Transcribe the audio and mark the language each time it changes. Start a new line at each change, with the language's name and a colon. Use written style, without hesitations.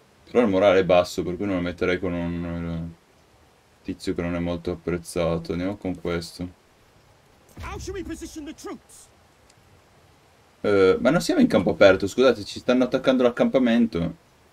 Italian: Però il morale è basso, per cui non lo metterei con un tizio che non è molto apprezzato. Andiamo con questo.
English: How should we position the troops?
Italian: Ma non siamo in campo aperto, scusate, ci stanno attaccando l'accampamento.